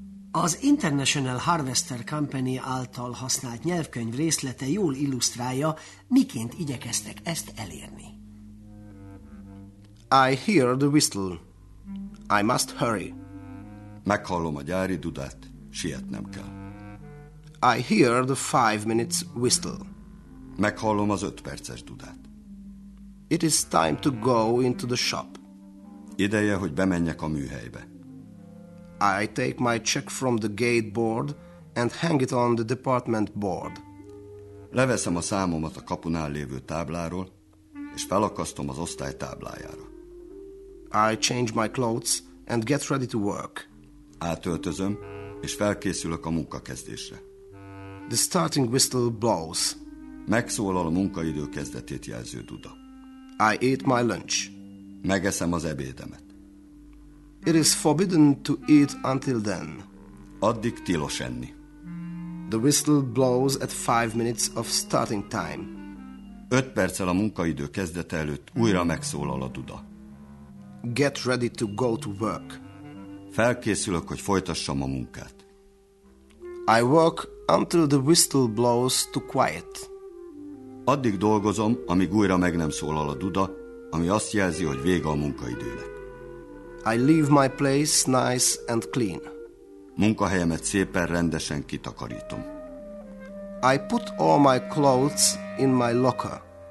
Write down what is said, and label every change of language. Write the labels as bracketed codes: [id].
[hu] Az International Harvester Company által használt nyelvkönyv részlete jól illusztrálja, miként igyekeztek ezt elérni. [en] I hear the whistle. I must hurry. [hu] Meghallom a gyári dudát, sietnem kell. [en] I hear the 5 minutes whistle. [hu] Meghallom az 5 perces dudát. [en] It is time to go into the shop. [hu] Ideje, hogy bemenjek a műhelybe. [en] I take my check from the gate board and hang it on the department board. [hu] Leveszem a számomat a kapunál lévő tábláról, és felakasztom az osztály táblájára. [en] I change my clothes and get ready to work. [hu] Átöltözöm, és felkészülök a munkakezdésre. [en] The starting whistle blows. [hu] Megszólal a munkaidő kezdetét jelző duda. [en] I eat my lunch. [hu] Megeszem az ebédemet. [en] It is forbidden to eat until then. [hu] Addig tilos enni. [en] The whistle blows at 5 minutes of starting time. [hu] 5 perccel a munkaidő kezdete előtt újra megszólal a duda. [en] Get ready to go to work. [hu] Felkészülök, hogy folytassam a munkát. [en] I work until the whistle blows to quiet. [hu] Addig dolgozom, amíg újra meg nem szólal a duda, ami azt jelzi, hogy vége a munkaidőnek. [en] I leave my place nice and clean. [hu] Munkahelyemet szépen rendesen kitakarítom. [en] I put all my clothes in my locker.